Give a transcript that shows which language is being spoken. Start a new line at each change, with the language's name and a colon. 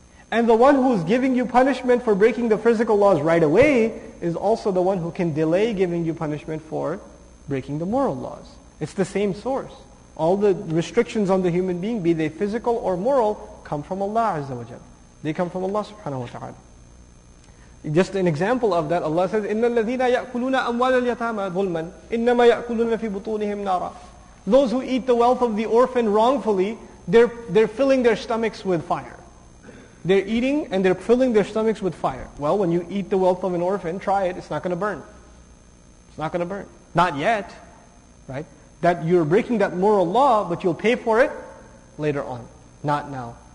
English: And the one who's giving you punishment for breaking the physical laws right away is also the one who can delay giving you punishment for breaking the moral laws. It's the same source. All the restrictions on the human being, be they physical or moral, come from Allah Azza wa Jalla. They come from Allah Subhanahu wa Ta'ala. Just an example of that, Allah says,
Arabic: إِنَّ الَّذِينَ يَأْكُلُونَ أَمْوَالَ الْيَتَامَ ظُلْمًا إِنَّمَا يَأْكُلُونَ فِي بُطُونِهِمْ نَارًا.
English: Those who eat the wealth of the orphan wrongfully, they're filling their stomachs with fire. They're eating and they're filling their stomachs with fire. Well, when you eat the wealth of an orphan, try it, it's not going to burn. It's not going to burn. Not yet, right? That you're breaking that moral law, but you'll pay for it later on, not now.